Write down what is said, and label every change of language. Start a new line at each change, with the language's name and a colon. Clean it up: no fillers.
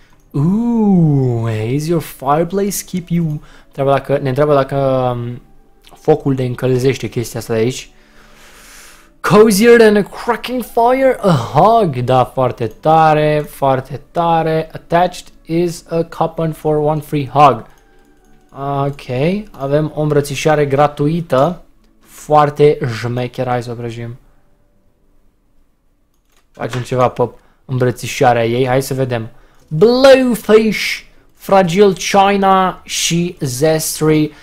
English: Ooh, is your fireplace keep you...
Romanian: Ne întreabă dacă focul de încălzește chestia asta de aici.
English: Cozier than a cracking fire? A hug!
Romanian: Da, foarte tare, foarte tare.
English: Attached is a coupon for one free hug.
Romanian: Ok, avem o îmbrățișare gratuită. Foarte jmecher, hai să o prăjim. Facem ceva pe îmbrățișarea ei, hai să vedem. Blowfish, Fragile China și Zestri.